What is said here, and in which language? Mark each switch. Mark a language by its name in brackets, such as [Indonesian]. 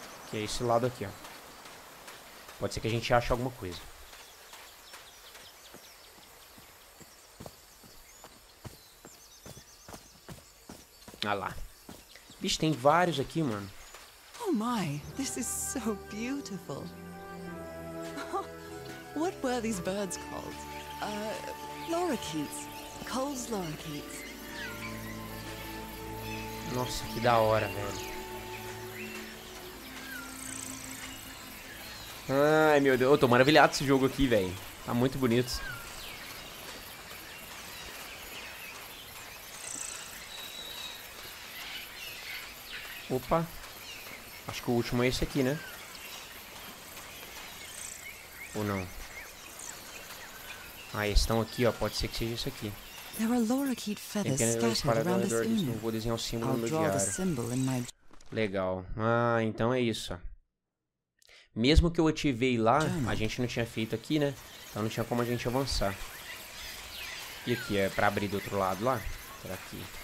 [Portuguese] Que é esse lado aqui, ó. Pode ser que a gente ache alguma coisa. Ah lá. Vixe, tem vários aqui, mano. [English] Oh my, this is so beautiful. What were these birds called? Lorikeets. Cole's lorikeets. [Portuguese] Nossa, que da hora, velho. Ai, meu Deus. Eu tô maravilhado esse jogo aqui, velho. Tá muito bonito. Opa. Acho que o último é esse aqui, né? Ou não? Ah, eles estão aqui, ó. Pode ser que seja esse aqui. [English] There are lorikeet feathers scattered around this room. [Portuguese] Vou desenhar o símbolo no diário. Legal. Ah, então é isso. Mesmo que eu ativei lá, a gente não tinha feito aqui, né? Então não tinha como a gente avançar. E aqui é pra abrir do outro lado lá? Será que...